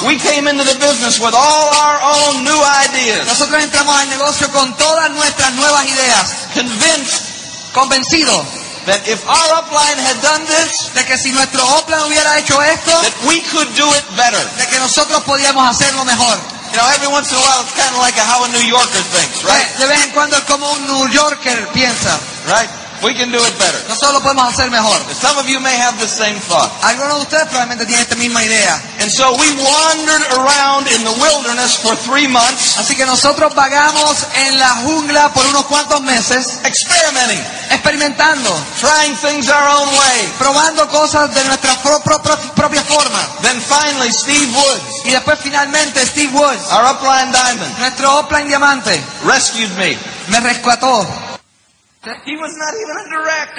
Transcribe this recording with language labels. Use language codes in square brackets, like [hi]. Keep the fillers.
[en] We came into the business with all our own new ideas. [es] Nosotros entramos al negocio con todas nuestras nuevas ideas. [en] Convinced, convencido. That if our upline had done this, [es] de que si nuestro upline hubiera hecho esto, [en] that we could do it better. [es] de que nosotros podíamos hacerlo mejor. [en] You know, every once in a while, it's kind of like a, how a New Yorker thinks, right? [es] De vez en cuando es como un New Yorker piensa, right? We can do it better. Nosotros lo podemos hacer mejor. [en] Some of you may have the same thought. [es] Algunos de ustedes probablemente tienen esta misma idea. [en] And so we wandered around in the wilderness for three months. [es] Así que nosotros vagamos en la jungla por unos cuantos meses. [en] Experimenting. [es] Experimentando. [en] Trying things our own way. [es] Probando cosas de nuestra pro, pro propia forma. [en] Then finally Steve Woods. [es] Y después finalmente Steve Woods. [en] Our upline diamond. [es] Nuestro upline diamante. [en] Rescued me. [es] Me rescató. [en] He was, he was not even a direct.